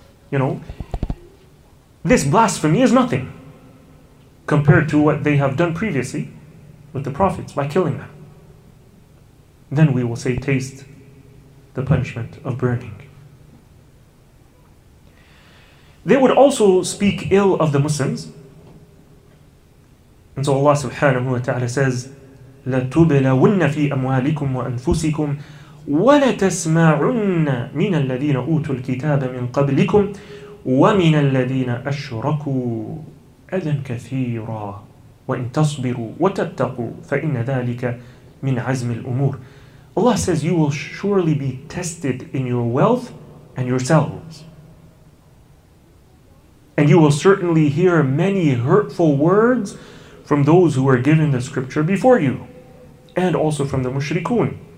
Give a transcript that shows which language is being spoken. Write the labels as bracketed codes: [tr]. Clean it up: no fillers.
[en] You know, this blasphemy is nothing compared to what they have done previously with the prophets by killing them. Then we will say, taste the punishment of burning. They would also speak ill of the Muslims. And so Allah subhanahu wa ta'ala says, [ar] لَتُبْلَوُنَّ فِي أَمْوَالِكُمْ وَأَنفُسِكُمْ وَلَتَسْمَعُنَّ مِنَ الَّذِينَ أُوتُوا الْكِتَابَ مِنْ قَبْلِكُمْ وَمِنَ الَّذِينَ أَشْرَكُوا أَذًا كَثِيرًا وَإِن تَصْبِرُوا وَتَتَّقُوا فَإِنَّ ذَلِكَ مِنْ عَزْمِ الْأُمُورِ. [en] Allah says, you will surely be tested in your wealth and yourselves. And you will certainly hear many hurtful words from those who are given the scripture before you, and also from the mushrikun.